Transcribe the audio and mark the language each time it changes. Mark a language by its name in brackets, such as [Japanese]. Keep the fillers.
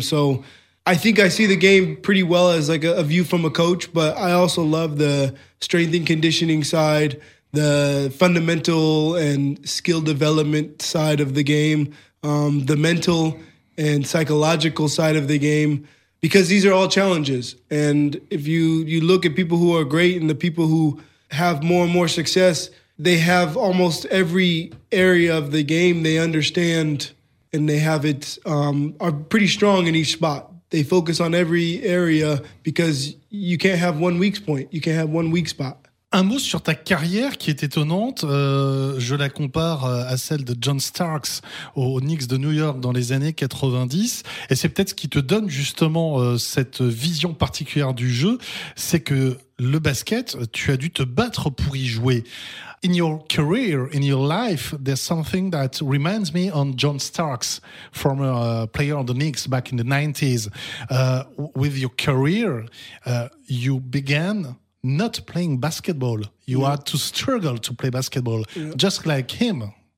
[English] So I think I see the game pretty well as like a, a view from a coach, but I also love the strength and conditioning side, the fundamental and skill development side of the game, um, the mental and psychological side of the game because these are all challenges and if you you look at people who are great and the people who have more and more success they have almost every area of the game they understand and they have it um, are pretty strong in each spot they focus on every area because you can't have one weak point you can't have one weak spot [French] Un mot sur ta carrière qui est étonnante. Euh, je la compare euh, à celle de John Starks aux Knicks de New York dans les années 90. Et c'est peut-être ce qui te donne justement euh, cette vision particulière du jeu. C'est que le basket, tu as dû te battre pour y jouer. [English] In your career, in your life, there's something that reminds me on John Starks, former uh, player of the Knicks back in the 90s. Uh, w- with your career, uh, you began not playing basketball. You had to struggle to play basketball, just like him.